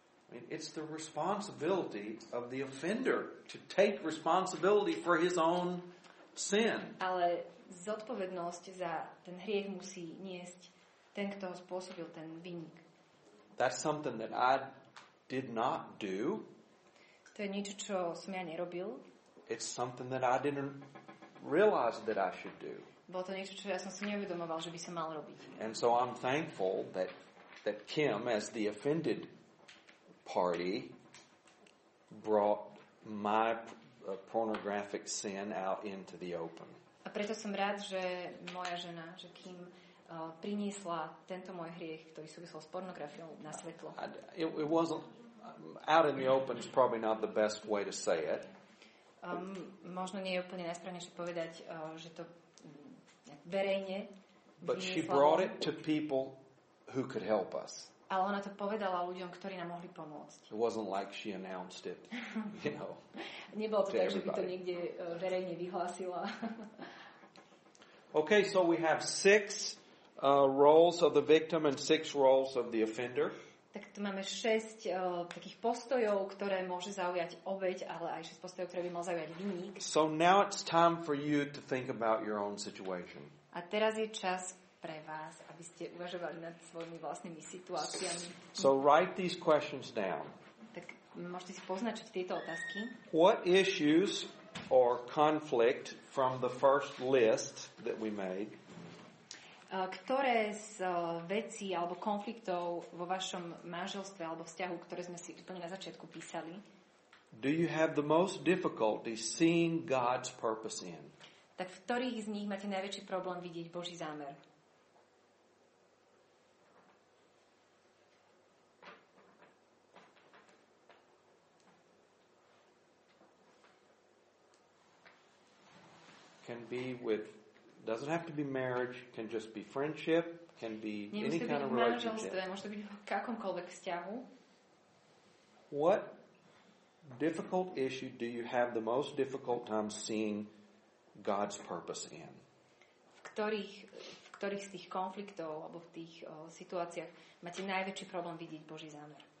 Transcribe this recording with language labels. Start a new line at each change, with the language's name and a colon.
English: I mean, it's the responsibility of the offender to take responsibility for his own sin.
Slovak: Ale zodpovednosť za ten hriech musí niesť ten, kto ho spôsobil, ten vinník.
English: That's something that I did not do.
Slovak: To je niečo, čo som ja nerobil.
English: It's something that I didn't realize that I should do.
Slovak: Bolo to niečo, čo ja som si neuvedomoval, že by som mal robiť.
English: And so I'm thankful that Kim, as the offended party, brought my pornographic sin out into the open.
Slovak: A preto som rád, že moja žena, že Kim, priniesla tento môj hriech, ktorý súvisel s pornografiou, na svetlo.
English: It wasn't out in the open is probably not the best way to say it.
Slovak: Možno nie je úplne najsprávnejšie povedať, že to verejne.
English: But she brought it to people who could help us.
Slovak: Ale ona to povedala ľuďom, ktorí nám mohli pomôcť.
English: It wasn't like she announced it, you know.
Slovak: Nebolo to tak, že by to niekde verejne vyhlásila.
English: Okay, so we have 6 roles of the victim and 6 roles of the offender.
Slovak: Tak tu máme 6 takých postojov, ktoré môže zaujať obeť, ale aj 6 postojov, ktoré by mal zaujať vinník.
English: So now it's time for you to think about your own situation.
Slovak: A teraz je čas pre vás, aby ste uvažovali nad svojimi vlastnými situáciami.
English: So write these questions down.
Slovak: Tak môžete si poznačiť tieto otázky.
English: What issues or conflict from the first list that we made?
Slovak: Ktoré z vecí alebo konfliktov vo vašom manželstve alebo vzťahu, ktoré sme si úplne na začiatku písali?
English: Do you have the most difficulty seeing God's purpose in?
Slovak: Tak v ktorých z nich máte najväčší problém vidieť Boží zámer?
English: Can be with, doesn't have to be marriage, can just be friendship, can be any kind of relationship.
Slovak: Môže to byť v akomkoľvek vzťahu.
English: What difficult issue do you have the most difficult time seeing God's purpose in?
Slovak: V ktorých z tých konfliktov alebo v tých situáciách máte najväčší problém vidieť Boží zámer?